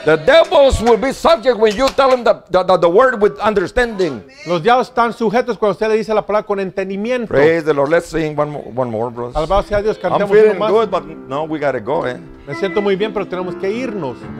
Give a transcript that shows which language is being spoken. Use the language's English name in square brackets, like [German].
[English] The devils will be subject when you tell them the word with understanding. [Spanish] Los diablos están sujetos cuando usted le dice la palabra con entendimiento. [English] Praise the Lord. Let's sing one more, brothers. [Spanish] Alabado sea Dios. Cantemos. [English] I'm feeling good, but no, we gotta go, eh? [Spanish] Me siento muy bien, pero tenemos que irnos.